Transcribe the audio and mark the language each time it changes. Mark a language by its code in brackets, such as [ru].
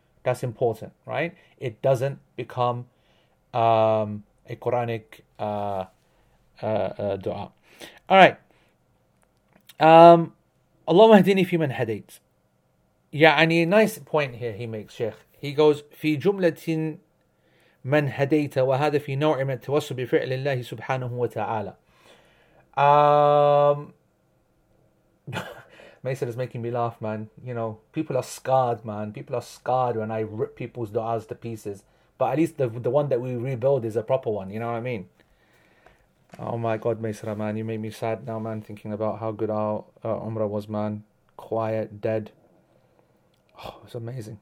[en] That's important, right? It doesn't become a Quranic dua. All right. [ar] Allahumma hadini fi man hadait. [en] Yeah, and a nice point here he makes, Sheikh. He goes, [ar] "في جملة من هديت وهذا في نوع من التوسل بفعل الله سبحانه وتعالى." [en] Mason is making me laugh, man. People are scarred, man. People are scarred when I rip people's du'as to pieces. But at least the one that we rebuild is a proper one. You know what I mean? Oh my God, Mason, man, you made me sad now, man. Thinking about how good our Umrah was, man. Quiet, dead. Oh, it's amazing.